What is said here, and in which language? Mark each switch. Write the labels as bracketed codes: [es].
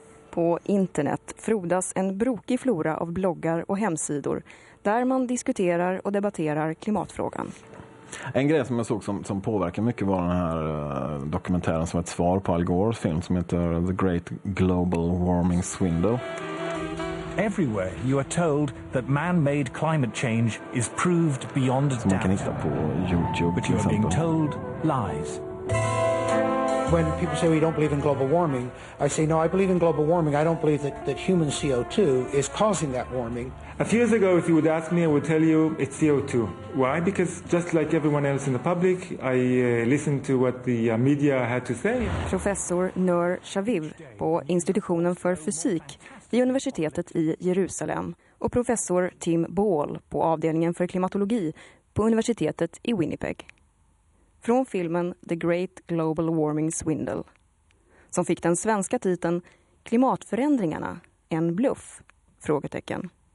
[sv] På internet frodas en brokig flora av bloggar och hemsidor där man diskuterar och debatterar klimatfrågan. En grej som jag såg som påverkar mycket var den här dokumentären som ett svar på Al Gores film som heter The Great Global Warming Swindle. [en] Everywhere you are told that man-made climate change is proved beyond doubt. [sv] Som man kan hitta på YouTube. [en] But you are being told lies. When people say we don't believe in global warming, I say no, I believe in global warming. I don't believe that human CO2 is causing that warming. A few years ago, if you would ask me, I would tell you it's CO2. Why? Because just like everyone else in the public, I listened to what the media had to say. [sv] Professor Nur Shaviv på institutionen för fysik vid universitetet i Jerusalem och professor Tim Ball på avdelningen för klimatologi på universitetet i Winnipeg. Från filmen The Great Global Warming Swindle, som fick den svenska titeln Klimatförändringarna, en bluff? Frågetecken.